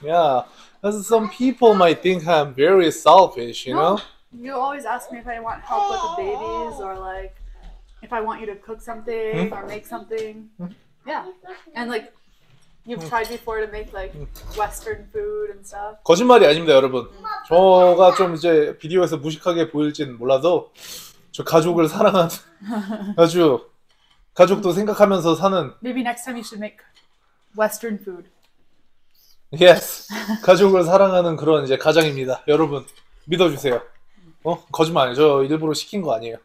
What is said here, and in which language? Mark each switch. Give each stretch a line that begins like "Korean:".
English: Yeah, as some people might think I'm very selfish, you No, know? you always ask me if I want help with the babies or like if I want you to cook something or make something. Yeah, and like you've tried before to make like Western food and stuff.
Korean: 거짓말이 아닙니다, 여러분. 저가 좀 이제 비디오에서 무식하게 보일진 몰라도 저 가족을 사랑하는 아주 가족도 생각하면서 사는
English: Maybe next time you should make Western food.
Korean: yes 가족을 사랑하는 그런 이제 가장입니다, 여러분. 믿어주세요. 거짓말 아니에요. 저 일부러 시킨 거 아니에요.